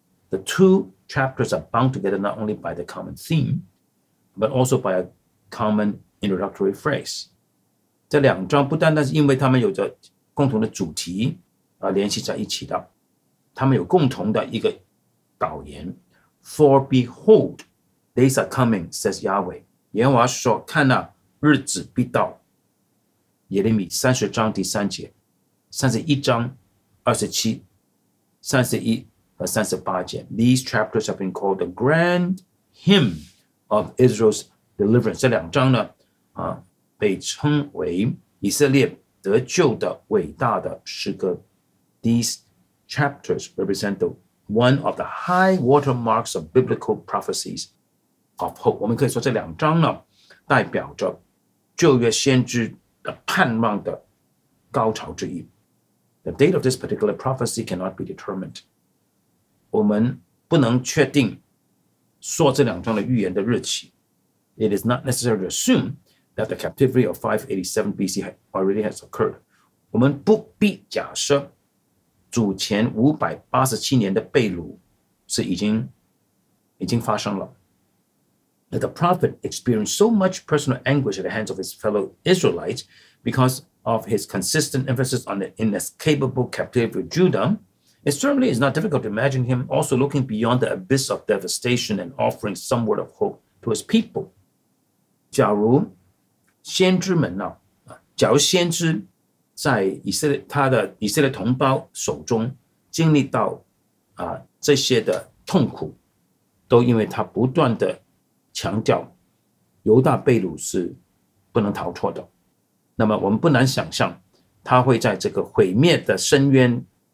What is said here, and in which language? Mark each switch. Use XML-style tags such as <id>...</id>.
<en>The two chapters are bound together not only by the common theme, but also by a common introductory phrase.</en> <zh>这两章不单单是因为他们有着共同的主题而联系在一起的，他们有共同的一个导言。</zh> <en>For behold, days are coming, says Yahweh.</en> <zh>耶和华说，看啊，日子必到。耶利米30章第3节，31章27节，31和38节。</zh> <en>These chapters have been called the grand hymn of Israel's deliverance.</en> <zh>这两章呢，被称为以色列得救的伟大的诗歌。</zh> <en>These chapters represent the one of the high watermarks of biblical prophecies of hope.</en> <zh>我们可以说这两章呢，代表着旧约先知的盼望的高潮之一。</zh> <en>The date of this particular prophecy cannot be determined.</en> <zh>我们不能确定说这两章的预言的日期。</zh> <en>It is not necessary to assume that the captivity of 587 BC already has occurred.</en> <zh>我们不必假设主前587年的被掳是已经发生了。</zh> <en>That the prophet experienced so much personal anguish at the hands of his fellow Israelites because of his consistent emphasis on the inescapable captivity of Judah, it certainly is not difficult to imagine him also looking beyond the abyss of devastation and offering some word of hope to his people.</en> <zh>假如先知们呢，假如先知在以色列他的以色列同胞手中经历到这些的痛苦，都因为他不断的强调犹大被掳是不能逃脱的，那么我们不难想象他会在这个毁灭的深渊</zh>